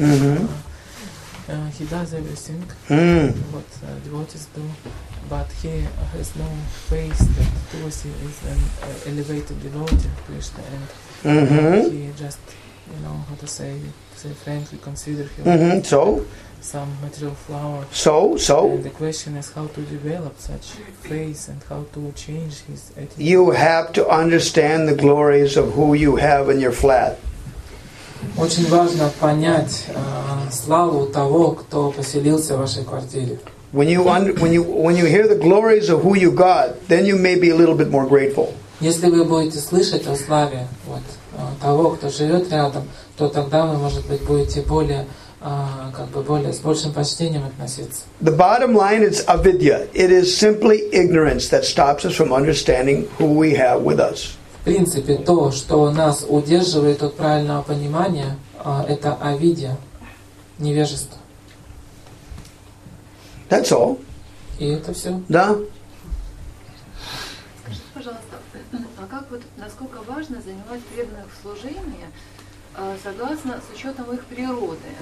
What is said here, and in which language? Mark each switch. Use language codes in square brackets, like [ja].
[en] He does everything, what devotees do, but he has no faith that Tulsi is an elevated devotee, Krishna, and he just, you know, how to say frankly, consider him so? Some material flower. So? And the question is how to develop such faith and how to change his attitude. You have to understand the glories of who you have in your flat. [ru] Очень важно понять славу того, кто поселился в вашей квартире. [en] When you hear the glories of who you got, then you may be a little bit more grateful. [ru] Если вы будете слышать о славе вот того, кто живет рядом, то тогда вы, может быть, будете более как бы более с большим почтением относиться. [en] The bottom line is avidya. It is simply ignorance that stops us from understanding who we have with us. [ru] В принципе, то, что нас удерживает от правильного понимания, это авидья, невежество. [en] That's all. [ru] И это все. Да. Скажите, пожалуйста, а как вот, насколько важно занимать преданных в служении согласно с учетом их природы?